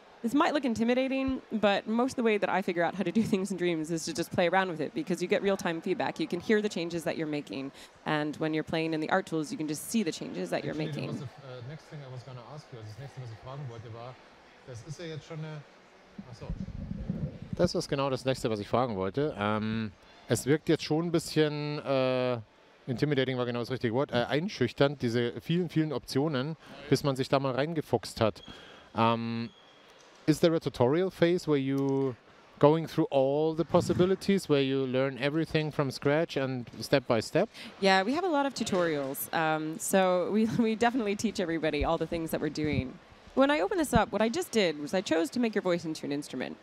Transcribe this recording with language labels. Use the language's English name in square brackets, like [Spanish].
[English] This might look intimidating, but most of the way that I figure out how to do things in Dreams is to just play around with it, because you get real-time feedback. You can hear the changes that you're making, and when you're playing in the art tools, you can just see the changes that you're making. Next thing I was going to ask you, [German] Das ist genau das Nächste, was ich fragen wollte. Es wirkt jetzt schon ein bisschen intimidating, war genau das richtige Wort, einschüchternd, diese vielen, vielen Optionen, bis man sich da mal reingefuchst hat. [English] Is there a tutorial phase where you going through all the possibilities, where you learn everything from scratch and step by step? Yeah, we have a lot of tutorials. So we definitely teach everybody all the things that we're doing. When I open this up, what I just did was I chose to make your voice into an instrument.